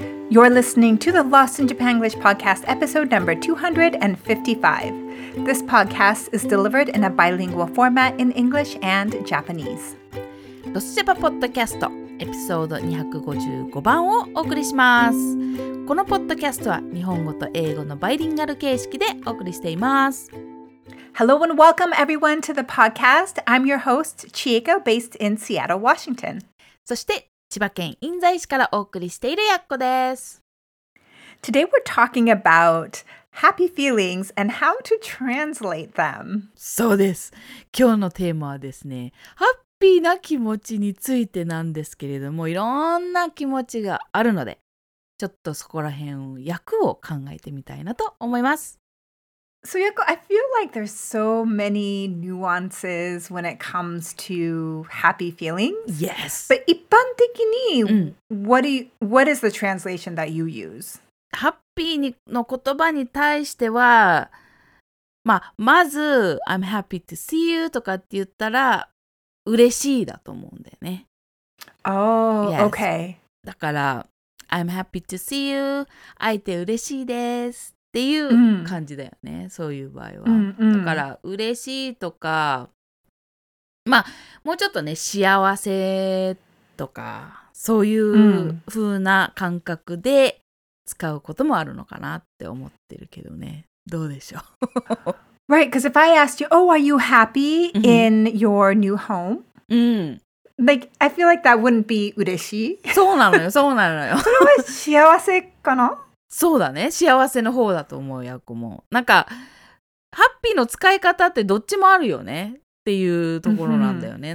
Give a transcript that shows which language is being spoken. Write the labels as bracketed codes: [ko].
[en] You're listening to the Lost in Japanglish podcast, episode number 255. This podcast is delivered in a bilingual format in English and Japanese. [ja] ロスジャパポッドキャストエピソード255番をお送りします。このポッドキャストは日本語と英語のバイリンガル形式でお送りしています。 [en] Hello and welcome everyone to the podcast. I'm your host, Chieko, based in Seattle, Washington. [ja] そして千葉県印西市からお送りしているやっこです。 [en] Today we're talking about happy feelings and how to translate them. [ja] そうです。今日のテーマはですね、ハッピーな気持ちについてなんですけれども、いろんな気持ちがあるので、ちょっとそこら辺訳を考えてみたいなと思います。 [en] So, Yoko, I feel like there's so many nuances when it comes to happy feelings. Yes. But [ja] 一般的に、 [en] what is the translation that you use? [ja] Happy の言葉に対しては、まあ、まず、 [en] I'm happy to see you [ja] とかって言ったら、嬉しいだと思うんだよね。 [en] Oh, yes. Okay. [ja] だから、 [en] I'm happy to see you. [ja] 会えて嬉しいです。っていう感じだよね、そういう場合は。だから、嬉しいとか、まあ、もうちょっとね、幸せとか、そういう風な感覚で使うこともあるのかなって思ってるけどね。どうでしょう [en] Right, because if I asked you, oh, are you happy in your new home? Like, I feel like that wouldn't be [ja] 嬉しい。そうなのよ、そうなのよ。それは幸せかな？そうだね。幸せの方だと思う、ヤコも。なんか、ハッピーの使い方ってどっちもあるよねっていうところなんだよね。